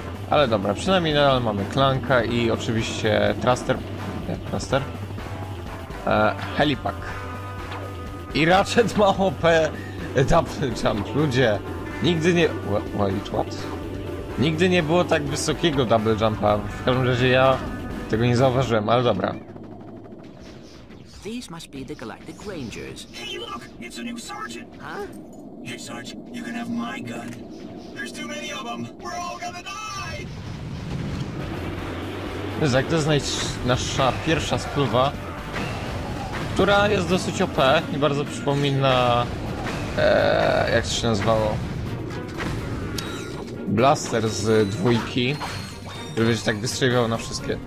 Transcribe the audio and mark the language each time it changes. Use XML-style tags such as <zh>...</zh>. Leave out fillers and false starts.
<pl>Ale dobra, przynajmniej nadal mamy Clanka i oczywiście thruster. Nie, thruster. Helipak. I Ratchet ma OP. Double jump, ludzie, nigdy nie...</pl> <en>Wait, what?</en> <pl>Nigdy nie było tak wysokiego double jumpa. W każdym razie ja tego nie zauważyłem, ale dobra.</pl> <en>These must be the Galactic Rangers. Hey, look! It's a new sergeant! Huh? Hey, Sarge, you can have my gun. There's too many of them! We're all gonna die!</en> <pl>Zack, to jest nasza pierwsza spływa, która jest dosyć OP i bardzo przypomina... jak to się nazywało? Blaster z dwójki. Żeby będzie tak wystrzeliwał na wszystkie.</pl>